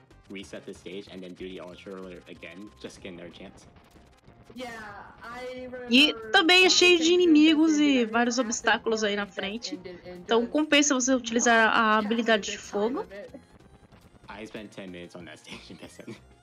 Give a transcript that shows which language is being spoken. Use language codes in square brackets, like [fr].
[en] Reset the stage and then do the ultra roller again, just getting their chance. Yeah, [pt] e também é cheio de inimigos e vários obstáculos aí na frente. Então compensa você utilizar a habilidade de fogo. [en] I spent 10 minutes on that stage and that's it.